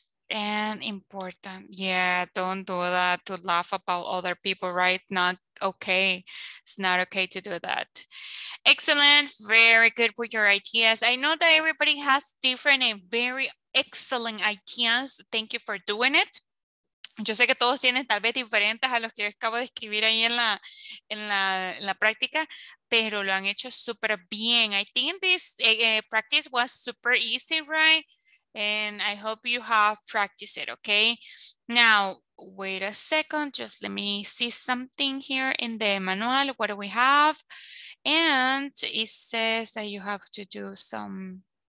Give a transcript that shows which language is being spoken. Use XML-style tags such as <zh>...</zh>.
<en>And important, yeah, don't do that, to laugh about other people, right? Not okay, it's not okay to do that. Excellent, very good with your ideas. I know that everybody has different and very excellent ideas. Thank you for doing it.</en> <es>Yo sé que todos tienen tal vez diferentes a los que yo acabo de escribir ahí en la práctica, pero lo han hecho súper bien.</es> <en>I think this practice was super easy, right? And I hope you have practiced it, okay? Now, wait a second. Just let me see something here in the manual. What do we have? And it says that you have to do some...</en>